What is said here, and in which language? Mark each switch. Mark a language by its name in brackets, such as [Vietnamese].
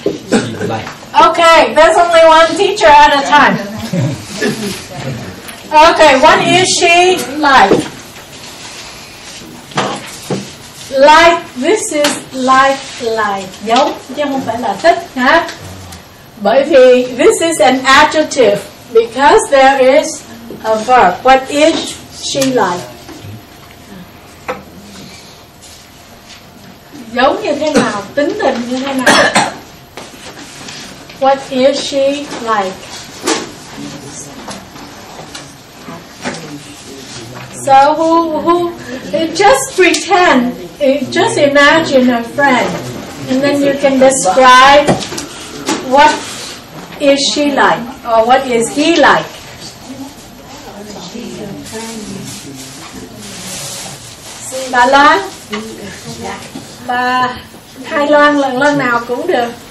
[English] She like. Okay, there's only one teacher at a time. Okay, what is she like? Like, this is like, [Vietnamese] giống, chứ không phải là thích, ha? Bởi vì [English] this is an adjective, because there is a verb. What is she like? [Vietnamese] Giống như thế nào, tính tình như thế nào? [English] What is she like? So who just pretend. Just imagine a friend, and then you can describe what is she like, or what is he like. [Vietnamese] Bà Loan, bà Thái Loan, lần nào cũng được.